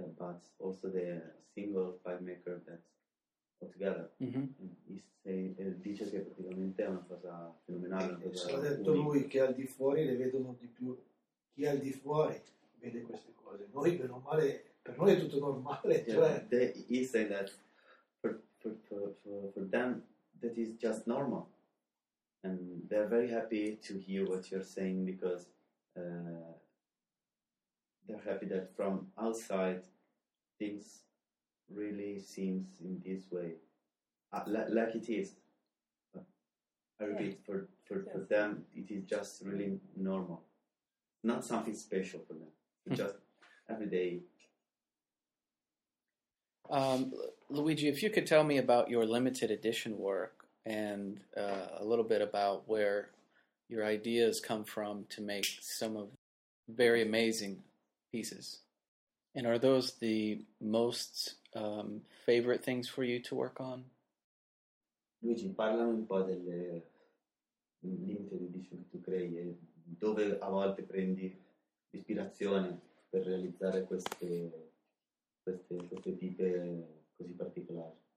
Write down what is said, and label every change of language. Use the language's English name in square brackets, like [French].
[English] But also the single pipe maker that's all together. Mm-hmm. [Italian] E dice che praticamente è una cosa fenomenale. Ha detto lui che al di fuori le vedono di più. Chi al di fuori vede queste cose? Noi, per non male, per noi è tutto normale. Cioè, [English] yeah, he said that for them that is just normal, and they're very happy to hear what you're saying, because they're happy that from outside things really seems in this way, like it is. I repeat, for them it is just really normal. Not something special for them, just every day. Luigi, if you could tell me about your limited edition work and a little bit about where your ideas come from to make some of very amazing pieces. And are those the most favorite things for you to work on? [Italian] Luigi, parlami un po' delle limited edition che tu crei. Dove a volte prendi ispirazione per realizzare queste pipe così particolari?